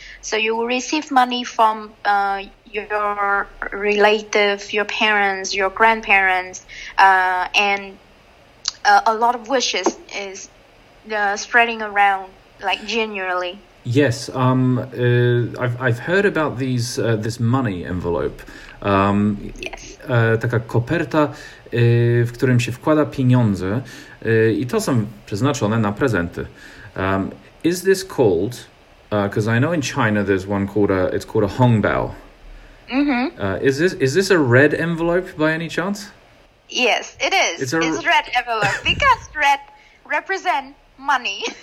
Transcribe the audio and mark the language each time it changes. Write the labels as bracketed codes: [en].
[en] So you will receive money from your relative, your parents, your grandparents, and a lot of wishes is spreading around, like, generally. Yes, I've heard about these this money envelope. Yes. [pl] Taka koperta, w którym się wkłada pieniądze, i to są przeznaczone na prezenty. [en] Is this called? Because I know in China there's one called it's called a hongbao. Mm-hmm. Is this a red envelope by any chance? Yes, it is. It's a red envelope because red represent money.